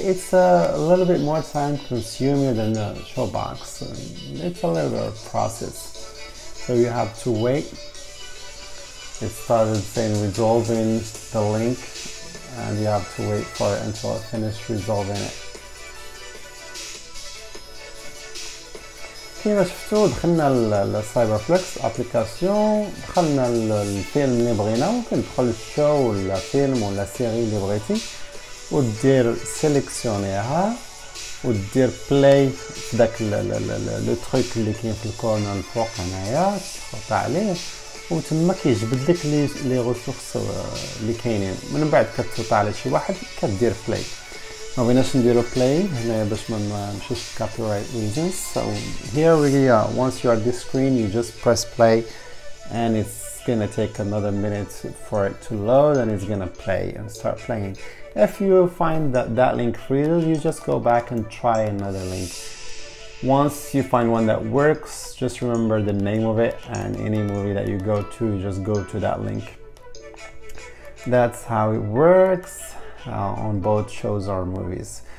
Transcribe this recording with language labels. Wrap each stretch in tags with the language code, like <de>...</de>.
<en>It's a little bit more time consuming than the showbox. It's a little bit of a process. So you have to wait. It started saying resolving the link, and you have to wait for it until it finished resolving it.</en> <ar>كيما شفتوا دخلنا للسايبر فليكس ابليكاسيون دخلنا للفيلم اللي بغينا ممكن تدخل الشو ولا فيلم ولا سيري اللي بغيتي ودير سيليكسيونيها ودير بلاي داك لو تروك اللي كاين في الكورنر الفوق هنايا تضغط عليه وتما كيجبد لك لي ريسورس اللي كاينين من بعد كتضغط على شي واحد كدير بلاي ما بغيناش نديرو بلاي هنا باش ما نمشيش</ar> <en>Copyright reasons so here we are once you are this screen you just press play and it's gonna take another minute for it to load and it's gonna play and start playing. If you find that link freezes, you just go back and try another link. Once you find one that works, just remember the name of it, and any movie that you go to, you just go to that link. That's how it works on both shows or movies.</en>